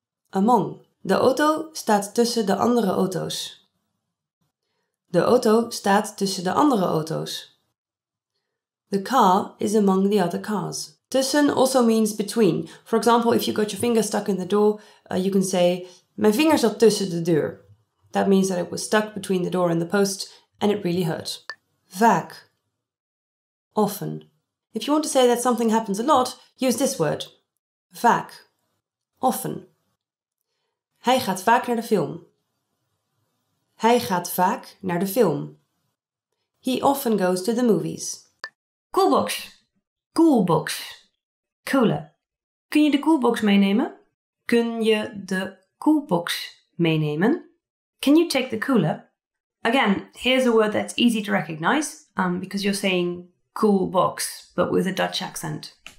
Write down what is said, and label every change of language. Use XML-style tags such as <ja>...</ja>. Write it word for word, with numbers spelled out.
<nl>Among. De auto staat tussen de andere auto's. De auto staat tussen de andere auto's.</nl> <en>The car is among the other cars. Tussen also means between. For example, if you got your finger stuck in the door, uh, you can say,</en> <nl>mijn vinger zat tussen de deur.</nl> <en>That means that it was stuck between the door and the post and it really hurt. Vaak. Often. If you want to say that something happens a lot, use this word.</en> <nl>Vaak. Often. Hij gaat vaak naar de film. Hij gaat vaak naar de film.</nl> <en>He often goes to the movies.</en> <nl>Coolbox. Coolbox. Cola. Kun je de coolbox meenemen? Kun je de coolbox meenemen?</nl> <en>Can you take the cooler? Again, here's a word that's easy to recognize um, because you're saying cool box, but with a Dutch accent.</en>